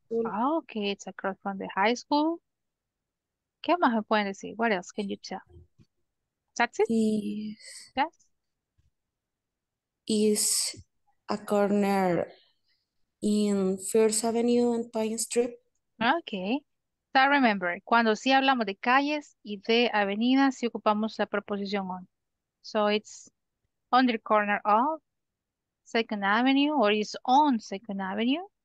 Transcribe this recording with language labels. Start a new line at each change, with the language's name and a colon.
English: Ah, okay, it's across from the high school.
Spanish: ¿Qué más me pueden decir?
English: What else can you tell? That's it? Yes. Yes. Is a corner in First Avenue and Pine Street. Okay. So remember,
Spanish: cuando sí hablamos de calles y de avenidas, sí ocupamos la preposición on.
English: So it's on the corner of Second Avenue or it's on Second Avenue.